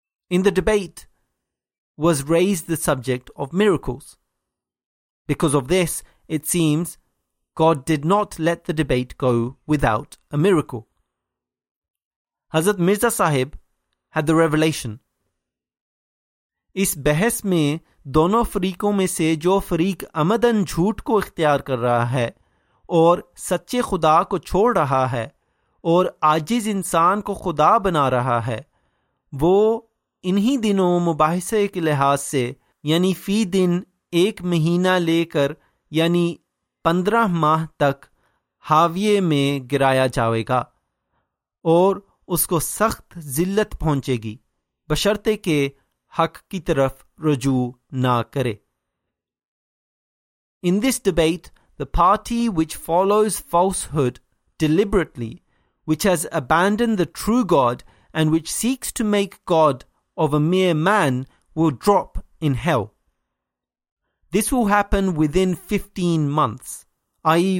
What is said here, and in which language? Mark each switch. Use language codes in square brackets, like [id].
[en] In the debate was raised the subject of miracles. Because of this, it seems, God did not let the debate go without a miracle. Hazrat Mirza Sahib had the revelation. [ur] اس بحث میں دونوں فریقوں میں سے جو فریق عمداً جھوٹ کو اختیار کر رہا ہے اور سچے خدا کو چھوڑ رہا ہے اور عاجز انسان کو خدا بنا رہا ہے وہ انہی دنوں مباحثے کے لحاظ سے یعنی فی دن ایک مہینہ لےکر یعنی 15 ماہ تک ہاویہ میں گرایا جائے گا اور اسکو سخت ذلت پہنچے گی بشرطے کہ حق کی طرف رجوع نہ کرے۔ [en] In this debate, the party which follows falsehood deliberately, which has abandoned the true God and which seeks to make God of a mere man, will drop in hell. This will happen within 15 months, i.e.